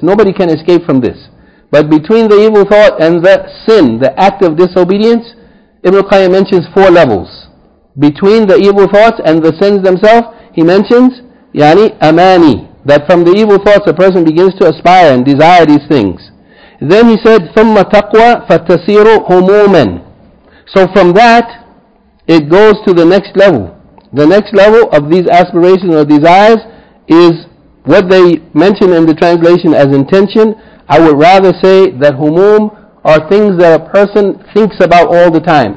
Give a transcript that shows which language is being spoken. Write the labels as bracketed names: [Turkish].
[English] Nobody can escape from this. But between the evil thought and the sin, the act of disobedience, Ibn Qayyim mentions four levels. Between the evil thoughts and the sins themselves, he mentions, amani, that from the evil thoughts a person begins to aspire and desire these things. Then he said, [Arabic] ثُمَّ تَقْوَى فَتَسِيرُ هُمُومًا. [English] So from that, it goes to the next level. The next level of these aspirations or desires is what they mention in the translation as intention. I would rather say that humum are things that a person thinks about all the time.